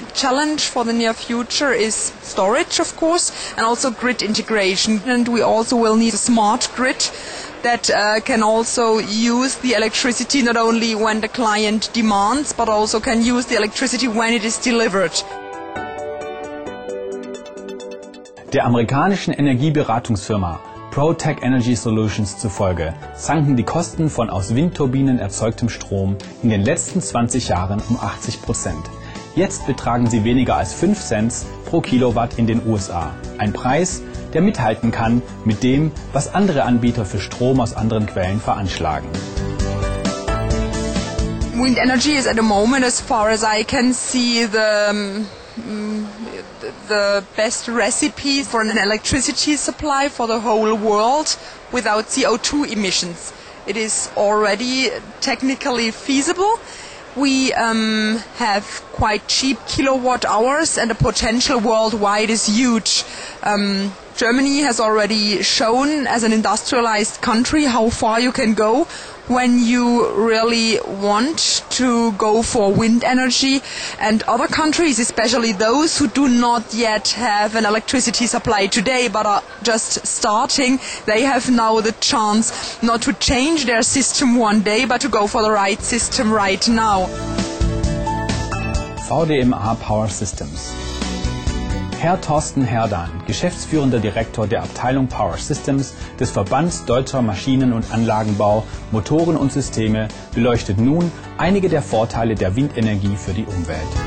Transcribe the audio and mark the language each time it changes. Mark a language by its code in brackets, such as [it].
[en] Challenge for the near future is storage, of course, and also grid integration. And we also will need a smart grid that can also use the electricity not only when the client demands, but also can use the electricity when it is delivered. [de] Der amerikanischen Energieberatungsfirma ProTech Energy Solutions zufolge sanken die Kosten von aus Windturbinen erzeugtem Strom in den letzten 20 Jahren um 80%. Jetzt betragen sie weniger als 5 Cent pro Kilowatt in den USA. Ein Preis, der mithalten kann mit dem, was andere Anbieter für Strom aus anderen Quellen veranschlagen. [en] Wind energy is at the moment, as far as I can see, the best recipe for an electricity supply for the whole world without CO2 emissions. It is already technically feasible. We have quite cheap kilowatt hours and the potential worldwide is huge. Germany has already shown as an industrialized country how far you can go when you really want to go for wind energy, and other countries, especially those who do not yet have an electricity supply today but are just starting, they have now the chance not to change their system one day but to go for the right system right now. VDMA Power Systems. [de] Herr Thorsten Herdan, geschäftsführender Direktor der Abteilung Power Systems des Verbands Deutscher Maschinen- und Anlagenbau, Motoren und Systeme, beleuchtet nun einige der Vorteile der Windenergie für die Umwelt.